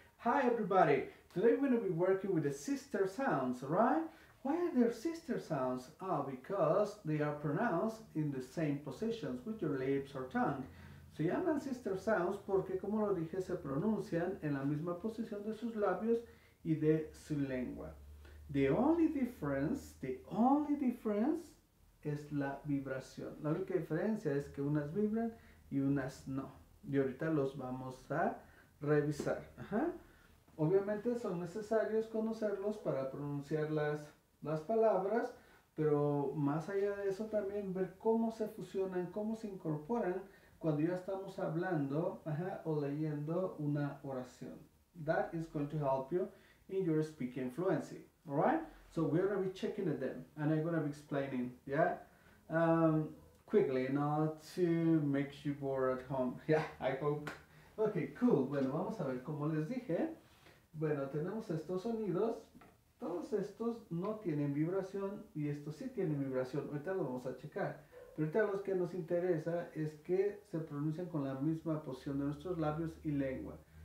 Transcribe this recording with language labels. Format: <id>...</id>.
<en>Hi everybody, today we're going to be working with the sister sounds, right? Why are there sister sounds? Oh, because they are pronounced in the same positions with your lips or tongue.</en> <es>Se llaman sister sounds porque, como lo dije, se pronuncian en la misma posición de sus labios y de su lengua.</es> <en>The only difference</en> <es>es la vibración. La única diferencia es que unas vibran y unas no. Y ahorita los vamos a revisar. Ajá. Obviamente son necesarios conocerlos para pronunciar las palabras, pero más allá de eso también ver cómo se fusionan, cómo se incorporan cuando ya estamos hablando, ajá, o leyendo una oración.</es> <en>That is going to help you in your speaking fluency. Alright, so we're going to be checking at them, and I'm going to be explaining, yeah, quickly, not to make you bored at home, yeah, I hope.</en> <es>Okay, cool, bueno, vamos a ver, como les dije, bueno, tenemos estos sonidos, todos estos no tienen vibración, y estos sí tienen vibración, ahorita lo vamos a checar, pero ahorita lo que nos interesa es que se pronuncian con la misma posición de nuestros labios y lengua.</es>